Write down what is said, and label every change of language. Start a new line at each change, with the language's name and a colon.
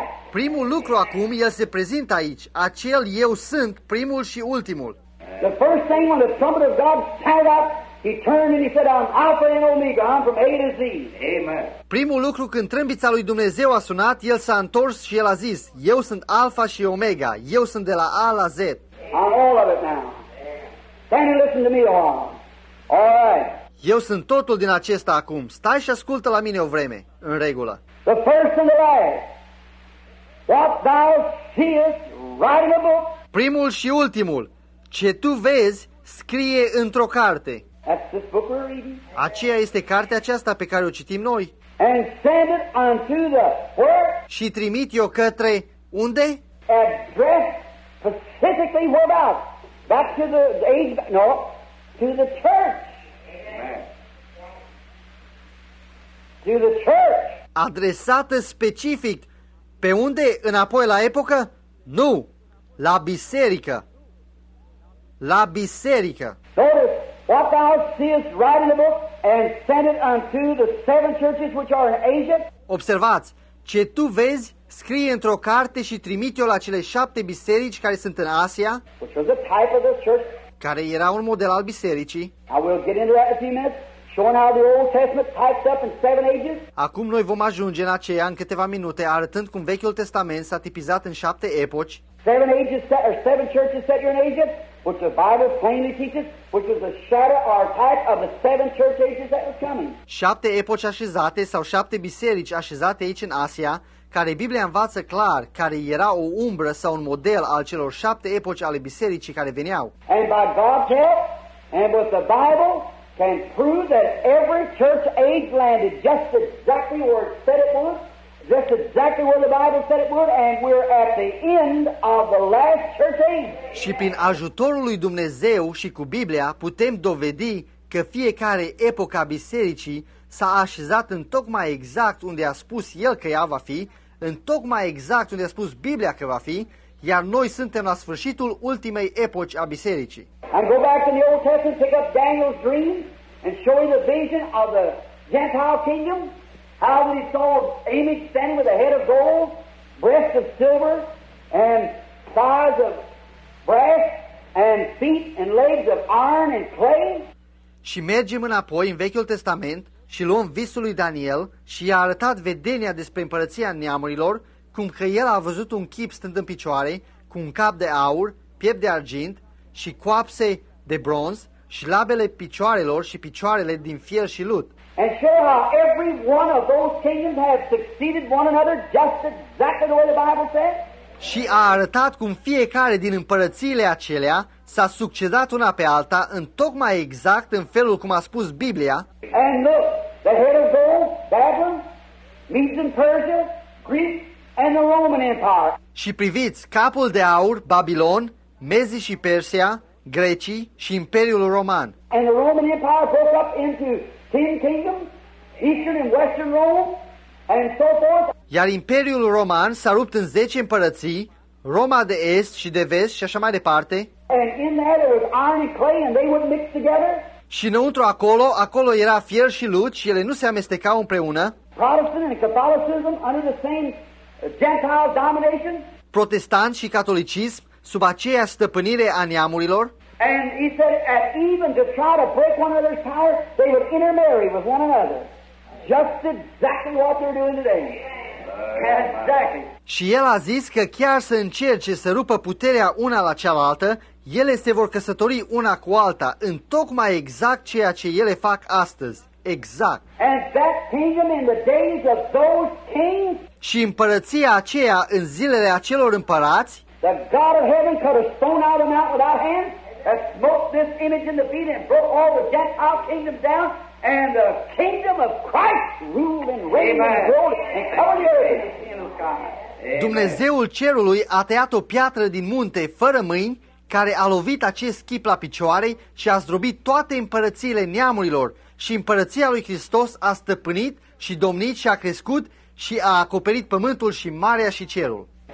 Romanian: Primul lucru acum, el se prezintă aici. Acel eu sunt primul și ultimul.
English: The first thing when the trumpet of God sounded out, he turned and he said, I'm Alpha and Omega, I'm from A to Z. Amen.
Romanian: Primul lucru când trâmbița lui Dumnezeu a sunat, el s-a întors și el a zis, eu sunt Alpha și Omega, eu sunt de la A la Z.
English: I'm all of it now. Stand and listen to me a while. All right.
Romanian: Eu sunt totul din acesta acum. Stai și ascultă la mine o vreme. În regulă.
English: The first and the last. What thou seest, write in a book.
Romanian: Primul și ultimul. Ce tu vezi, scrie într-o carte.
English: That's this book we're reading.
Romanian: Aceea este cartea aceasta pe care o citim noi.
English: And send it unto the, where?
Romanian: Și trimit-o către unde?
English: Addressed specifically whereabouts? Back to the age, no, to the church. Amen. To the church.
Romanian: Adresată specific. Pe unde? Înapoi la epocă? Nu. La biserică. La biserică.
English: Notice what thou seest, write in the book and send it unto the seven churches which are in Asia.
Romanian: Observați, ce tu vezi, scrie într-o carte și trimite-o la cele șapte biserici care sunt în Asia,
English: which was a type of the church,
Romanian: care era un model al bisericii.
English: I will get into that in a few minutes, showing how the Old Testament types up in seven ages.
Romanian: Acum noi vom ajunge în aceea în câteva minute, arătând cum Vechiul Testament s-a tipizat în șapte epoci.
English: Seven ages set, or seven churches set here in Asia. Which the Bible plainly teaches, which is a shadow or type of the seven church ages that was coming.
Romanian: Șapte epoci așezate sau șapte biserici așezate aici în Asia, care Biblia învață clar, care era o umbră sau un model al celor șapte epoci ale bisericii care veneau.
English: And by God's help, and with the Bible, can prove that every church age landed just exactly where it said it was, just exactly where the Bible said it would, and we're at the end of the last church age.
Romanian: Și prin ajutorul lui Dumnezeu și cu Biblia putem dovedi că fiecare epocă a bisericii s-a așezat în tocmai exact unde a spus el că ea va fi, în tocmai exact unde a spus Biblia că va fi, iar noi suntem la sfârșitul ultimei epoci a bisericii.
English: And go back in the Old Testament, pick up Daniel's dream and show him the vision of the Gentile kingdom. How he saw an image standing with a head of gold, breast of silver, and thighs of brass, and feet and legs of iron and clay.
Romanian: Și mergem înapoi în Vechiul Testament și luăm visul lui Daniel și i-a arătat vedenia despre împărăția neamurilor, cum că el a văzut un chip stând în picioare, cu un cap de aur, piept de argint și coapse de bronz și labele picioarelor și picioarele din fier și lut.
English: And show how every one of those kingdoms have succeeded one another just exactly the way the Bible said.
Romanian: Și a arătat cum fiecare din împărățiile acelea s-a succedat una pe alta în tocmai exact în felul cum a spus Biblia.
English: And look, the head of gold, Babylon, Medes and Persia, Greece and the Roman Empire.
Romanian: Și priviți, capul de aur, Babilon, Mezii și Persia, Grecii și Imperiul Roman.
English: And the Roman Empire broke up into 10 kingdoms, Eastern and Western Rome, and so forth.
Romanian: Iar Imperiul Roman s-a rupt în 10 împărății, Roma de Est și de Vest și așa mai departe.
English: And in that there was iron and clay and they wouldn't mix together.
Romanian: Și înăuntru acolo era fier și lut și ele nu se amestecau împreună.
English: Protestant and Catholicism under the same Gentile domination.
Romanian: Protestant și catolicism sub aceeași stăpânire a neamurilor.
English: And he said, at even to try to break one another's power, they would intermarry with one another. Just exactly what they're doing today. Exactly.
Romanian: Și el a zis că chiar să încerce să rupă puterea una la cealaltă, ele se vor căsători una cu alta, în tocmai exact ceea ce ele fac astăzi. Exact.
English: And that kingdom in the days of those kings?
Romanian: Și împărăția aceea în zilele acelor împărați?
English: The God of heaven cut a stone out of the mountain without hands, and smote this image in the feet, and broke all the Gentile kingdoms down, and the kingdom of Christ ruled and reigned and rolled and covered the earth.
Romanian: Dumnezeul cerului a tăiat o piatră din munte fără mâini, care a lovit acest chip la picioare și a zdrobit toate împărățiile neamurilor, și împărăția lui Hristos a stăpânit și domnit și a crescut și a acoperit pământul și marea și cerul.